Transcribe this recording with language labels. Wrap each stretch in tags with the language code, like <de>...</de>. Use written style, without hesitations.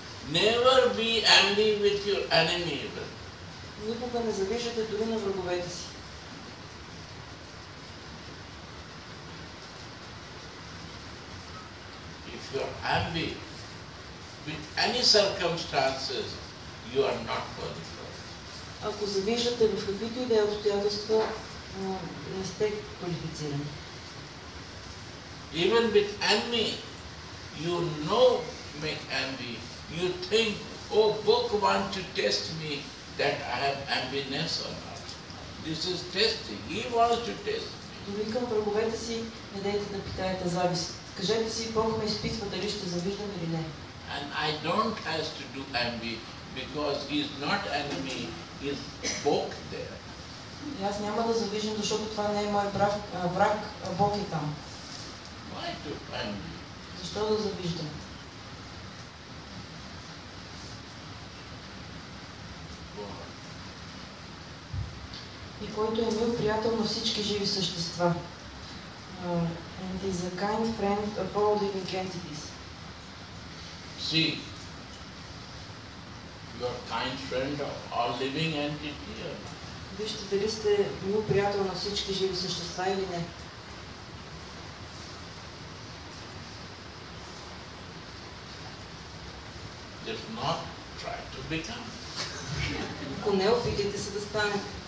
<en>Never be angry with your enemy.</en> <bg>Никога не завиждате дори на враговете си.</bg> <en>If you are angry with any circumstances, you are not worthy.</en> <bg>Ако завиждате в каквито и да е обстоятелства, не сте квалифицирани.</bg> <en>Even with enemy, you know make envy. You think, oh, book wants to test me that I have enviness or not. This is testing. He wants to test me.</en> <bg>Дори към враговете си, не дейте да питаете завист. Кажете си, Бог ме изпитва дали ще завиждам или не.</bg> <en>And I don't have to do envy because he is not enemy. Is Бог there?</en> <bg>И аз няма да завиждам, защото това не е мой враг, а Бог е там. Why to envy? Защо да завиждам? И който е мил приятел на всички живи същества.</bg> <en>And is a kind friend of all living entities. See, you are kind friend of all living entities.</en> <bg>Вижте дали сте мил приятел на всички живи същества или не.</bg> <en>If not, try to become.</en> <bg>Ако не, опитайте се да станете.</bg>